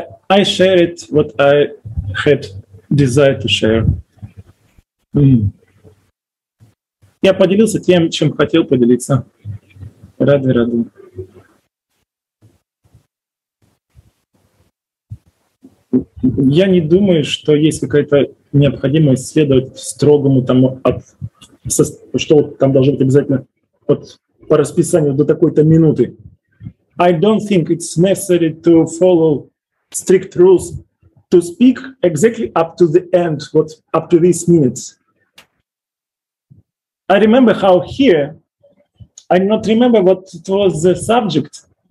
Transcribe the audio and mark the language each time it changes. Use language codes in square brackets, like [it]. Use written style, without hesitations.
[en] I share it, what I had desire to share. [ru] Я поделился тем, чем хотел поделиться. Рады, рады. Я не думаю, что есть какая-то необходимость следовать строгому тому, что там должно быть обязательно вот по расписанию до такой-то минуты. [en] I don't think it's necessary to follow strict rules to speak exactly up to the end, what up to these minutes. I remember how here, I not remember what it was the subject.